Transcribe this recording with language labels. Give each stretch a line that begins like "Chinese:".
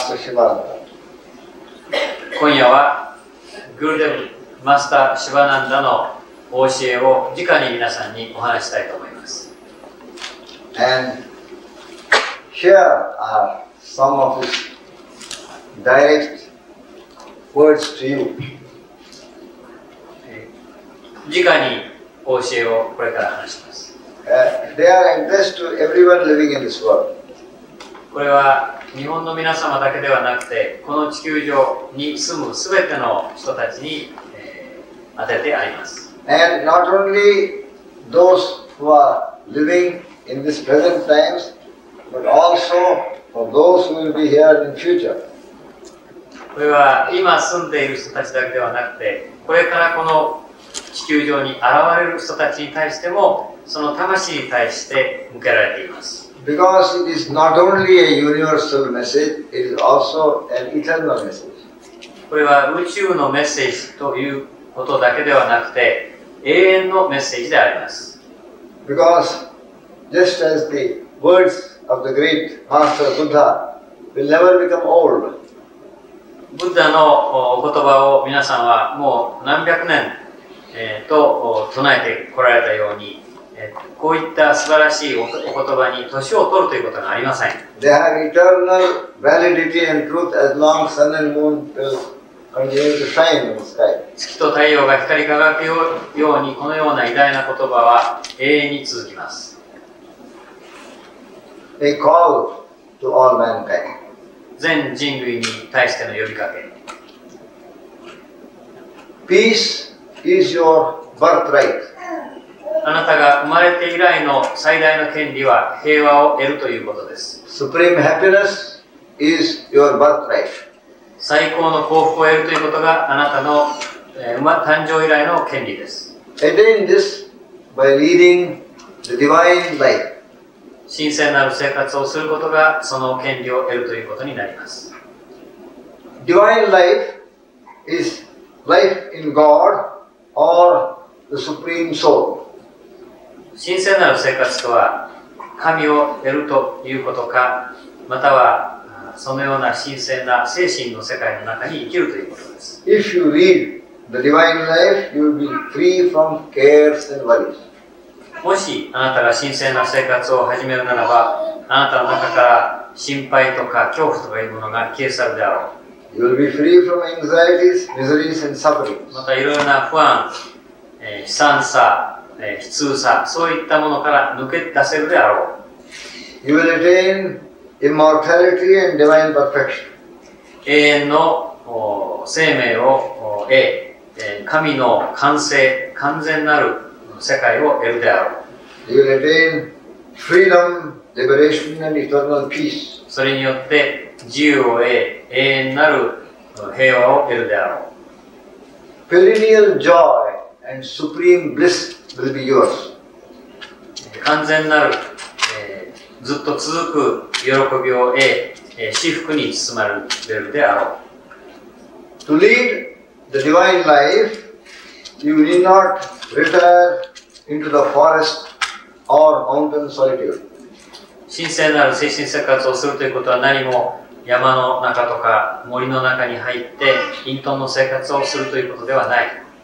Japanese: 今夜はグルデブマスターシバナンダの教えを直に皆さんにお話したいと思います。
English: And here are some of his direct words to you.
Japanese: 直に教えをこれから話します。
English: They are addressed to everyone living in this world.
Japanese: これは日本の皆様だけではなくて、この地球上に住むすべての人たちに、当ててあります。
English: And not only those who are living in this present times, but also for those who will be here in future.
Japanese: これは今住んでいる人たちだけではなくて、これからこの地球上に現れる人たちに対しても、その魂に対して向けられています。
English: Because it is not only a universal message, it is also an eternal message.
Japanese: これは宇宙のメッセージということだけではなくて、永遠のメッセージであります。
English: Because just as the words of the great master Buddha will never become old.
Japanese: ブッダのお言葉を皆さんはもう何百年唱えてこられたように、こういった素晴らしいお言葉に年を取るということがありません。
English: They have eternal validity and truth as long as sun and moon will continue to shine in the sky.
Japanese: 月と太陽が光り輝くように、このような偉大な言葉は永遠に続きます。
English: They call to all mankind.
Japanese: 全人類に対しての呼びかけ。
English: Peace is your birthright.
Japanese: あなたが生まれて以来の最大の権利は平和を得るということです。
English: Supreme happiness is your birthright.
Japanese: 最高の幸福を得るということがあなたの誕生以来の権利です。
English: Attain this by leading the divine life.
Japanese: 神聖なる生活をすることがその権利を得るということになります。
English: Divine life is life in God or the Supreme Soul.
Japanese: 神聖なる生活とは神を得るということか、またはそのような神聖な精神の世界の中に生きるということです。
English: If you read the divine life, you will be free from cares and worries.
Japanese: もしあなたが神聖な生活を始めるならば、あなたの中から心配とか恐怖とかいうものが消え去るであろう。
English: You will be free from anxieties, miseries and sufferings.
Japanese: またいろいろな不安、悲惨さ、悲痛さ、そういったものから抜け出せるであろう。
English: You will attain immortality and divine perfection.
Japanese: 永遠の生命を得、神の完成、完全なる世界を得るであろう。
English: You will attain freedom, liberation and eternal peace.
Japanese: それによって自由を得、永遠なる平和を得るであろう。
English: Perennial joy and supreme bliss. Will be yours.
Japanese: 完全なる、ずっと続く喜びを得、至福に包まれるであろう。
English: To lead the divine life, you need not retire into the forest or mountain solitude.
Japanese: 神聖なる精神生活をするということは何も山の中とか森の中に入って隠遁の生活をするということではない。